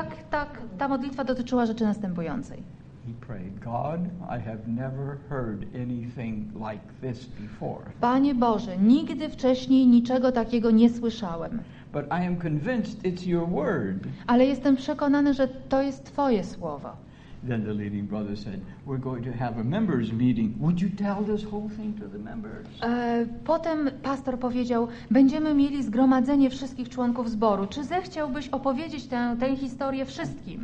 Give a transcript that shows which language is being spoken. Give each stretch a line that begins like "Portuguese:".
Polish: Tak, ta modlitwa dotyczyła rzeczy następującej.
English: He prayed, God, I have never heard anything like this before.
Polish: Panie Boże, nigdy wcześniej niczego takiego nie słyszałem.
English: But I am convinced it's your word.
Polish: Ale jestem przekonany, że to jest Twoje słowo.
English: Then the leading brother said, we're going to have a members meeting. Would you tell this whole thing to the members?
Polish: Potem pastor powiedział, będziemy mieli zgromadzenie wszystkich członków zboru. Czy zechciałbyś opowiedzieć tę historię wszystkim?